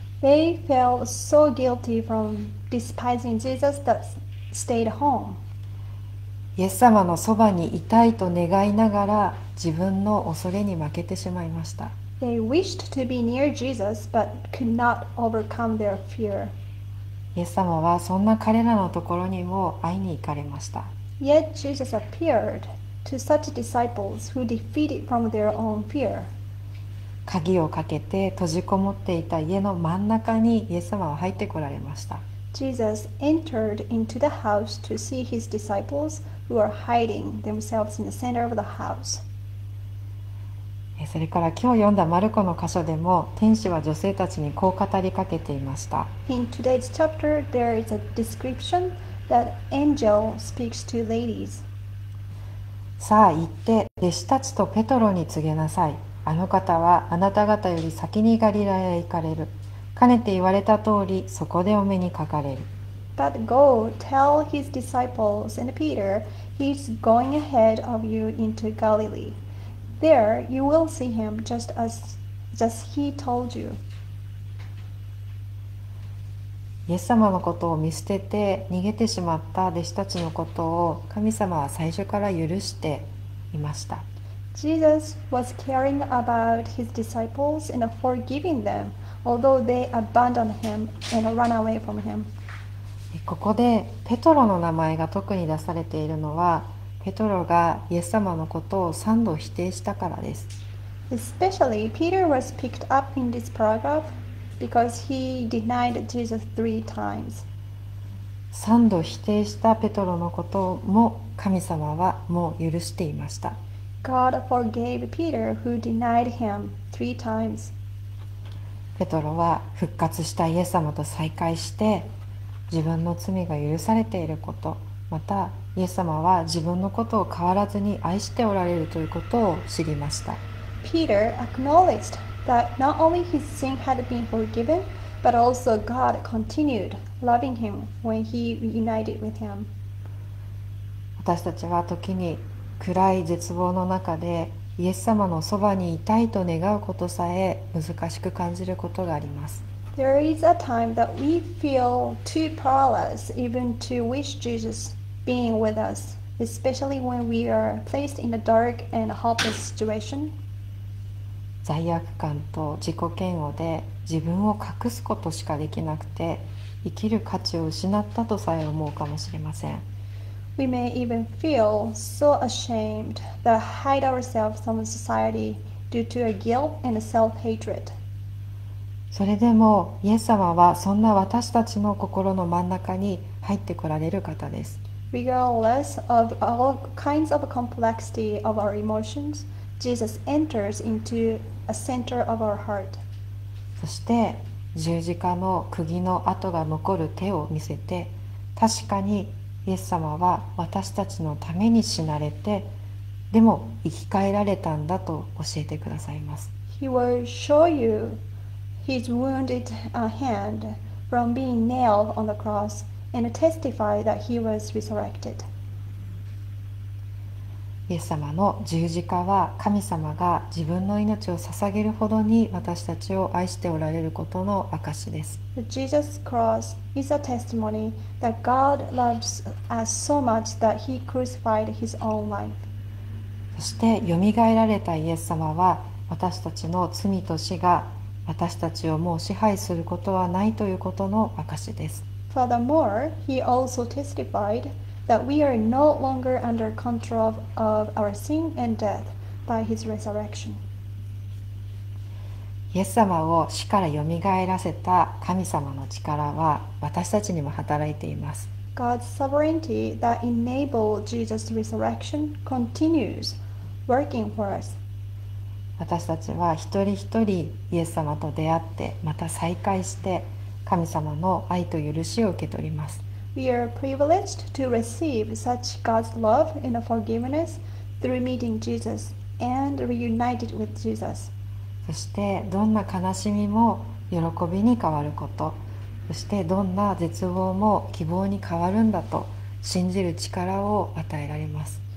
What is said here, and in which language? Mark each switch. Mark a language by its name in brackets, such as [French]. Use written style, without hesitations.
[English] They felt so guilty from despising Jesus that stayed home. [Japanese] イエス様のそばにいたいと願いながら、自分の恐れに負けてしまいました。 [English] They wished to be near Jesus, but could not overcome their fear. [Japanese] イエス様はそんな彼らのところにも会いに行かれました。 [English] Yet Jesus appeared to such disciples who defeated from their own fear. [Japanese] 鍵をかけて閉じこもっていた家の真ん中にイエス様は入ってこられました。 [English] Jesus entered into the house to see his disciples who are hiding themselves in the center of the house. [Japanese] それから、今日読んだマルコの箇所でも、天使は女性たちにこう語りかけていました。 [English] In today's chapter, there is a description that angel speaks to ladies. [Japanese] さあ、行って弟子たちとペトロに告げなさい。あの方はあなた方より先にガリラへ行かれる。かねて言われた通り、そこでお目にかかれる。 [English] But go tell his disciples and Peter, he's going ahead of you into Galilee. There you will see him just as he told you. [Japanese] イエス様のことを見捨てて逃げてしまった弟子たちのことを神様は最初から許していました。 [English] Jesus was caring about his disciples and forgiving them, although they abandoned him and ran away from him. [Japanese] ここでペトロの名前が特に出されているのは、ペトロがイエス様のことを3度否定したからです。 [English] Especially, Peter was picked up in this paragraph because he denied Jesus three times. [Japanese] 3度否定したペトロのことも神様はもう許していました。 [English] God forgave Peter who denied him three times. [Japanese] ペトロは復活したイエス様と再会して、自分の罪が許されていること、またイエス様は自分のことを変わらずに愛しておられるということを知りました。 [English] Peter acknowledged that not only his sin had been forgiven, but also God continued loving him when he reunited with him. [Japanese] 私たちは時に暗い絶望の中でイエス様のそばにいたいと願うことさえ難しく感じることがあります。 [English] There is a time that we feel too powerless even to wish Jesus being with us, especially when we are placed in a dark and hopeless situation. [Japanese] 罪悪感と自己嫌悪で自分を隠すことしかできなくて、生きる価値を失ったとさえ思うかもしれません。 [English] We may even feel so ashamed that hide ourselves from society due to a guilt and a self-hatred. [Japanese] それでもイエス様はそんな私たちの心の真ん中に入ってこられる方です。 [English] Regardless of all kinds of complexity of our emotions, Jesus enters into a center of our heart. [Japanese] そして十字架の釘の跡が残る手を見せて、確かにイエス様は私たちのために死なれて、でも生き返られたんだと教えてくださいます。 [English] He will show you his wounded hand from being nailed on the cross and testify that he was resurrected. [Japanese] イエス様の十字架は、神様が自分の命を捧げるほどに私たちを愛しておられることの証です。 [English] The Jesus cross is a testimony that God loves us so much that he crucified his own life. [Japanese] そしてよみがえられたイエス様は、私たちの罪と死が私たちをもう支配することはないということの証です。 [English] Furthermore, he also testified that we are no longer under control of our sin and death by his resurrection. [Japanese] イエス様を死からよみがえらせた神様の力は私たちにも働いています。 [English] God's sovereignty that enabled Jesus' resurrection continues working for us. [Japanese] 私たちは一人一人イエス様と出会って、また再会して神様の愛と許しを受け取ります。 [English] We are privileged to receive such God's love and forgiveness through meeting Jesus and reunited with Jesus. [Japanese] そしてどんな悲しみも喜びに変わること、そしてどんな絶望も希望に変わるんだと信じる力を与えられます。